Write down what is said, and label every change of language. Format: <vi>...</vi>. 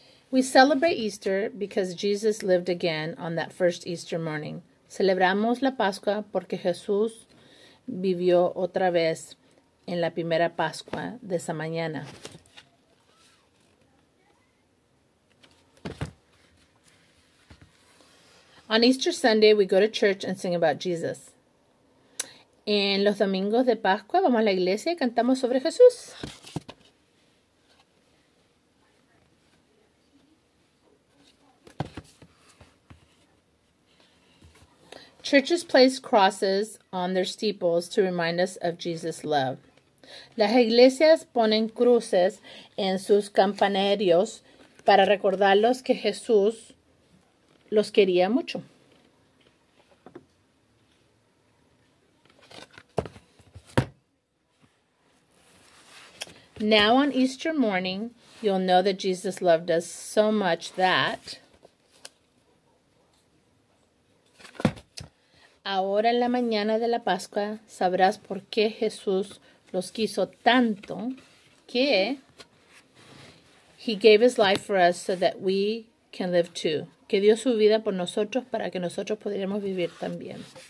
<en>We celebrate Easter because Jesus lived again on that first Easter morning.</en> <es>Celebramos la Pascua porque Jesús vivió otra vez en la primera Pascua de esa mañana.</es> <en>On Easter Sunday, we go to church and sing about Jesus.</en> <es>En los domingos de Pascua, vamos a la iglesia y cantamos sobre Jesús.</es> <en>Churches place crosses on their steeples to remind us of Jesus' love.</en> <es>Las iglesias ponen cruces en sus campanarios para recordarlos que Jesús los quería mucho.</es> <en>Now on Easter morning, you'll know that Jesus loved us so much that...</en> <es>Ahora en la mañana de la Pascua, sabrás por qué Jesús los quiso tanto que...</es> <en>He gave his life for us so that we can live too.</en> <es>Que dio su vida por nosotros para que nosotros podríamos vivir también.</es>